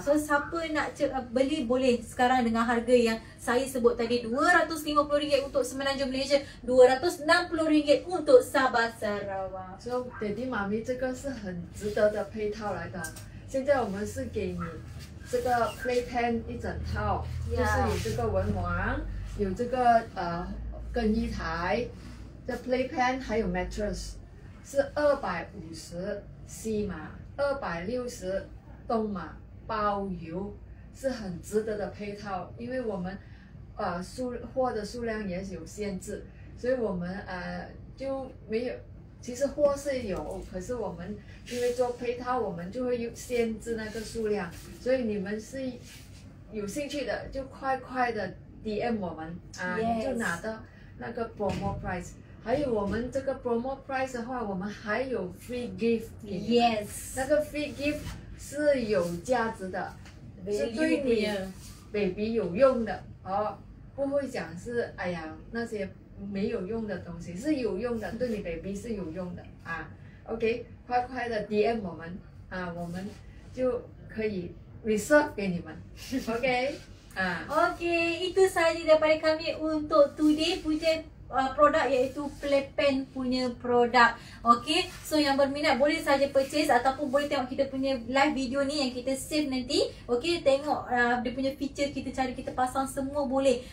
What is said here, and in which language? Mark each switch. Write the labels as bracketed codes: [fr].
[ms] So siapa nak beli boleh sekarang dengan harga yang saya sebut tadi. RM250 untuk Semenanjung Malaysia. RM260 untuk Sabah, Sarawak. So daddy, mami, ini adalah sangat berharga. Sekarang kita untuk anda. Ini playpen sepenuhnya. [en] Yeah. [ms] Ini adalah ini adalah [zh] 有这个更衣台 the playpen 还有 mattress 是 250C 码 260 东码 包邮是很值得的配套，因为我们货的数量也是有限制，所以我们就没有，其实货是有，可是我们因为做配套，我们就会限制那个数量，所以你们是有兴趣的，就快快的 DM 我们 就拿到那个 promo price， 还有我们这个 promo price 的话，我们还有 free gift 给你们，那个 free gift 是有价值的， [en] Very [zh] 是对你 baby 有用的，不会讲是哎呀那些没有用的东西，是有用的，对你 baby 是有用的。 OK， 快快的 DM 我们，我们就可以 reserve 给你们 ，OK。 [ms] Okay, itu sahaja daripada kami untuk today punya produk, iaitu Playpen punya produk. Okay, so yang berminat boleh sahaja purchase ataupun boleh tengok kita punya live video ni yang kita save nanti. Okay, tengok dia punya feature, kita cara kita pasang semua boleh.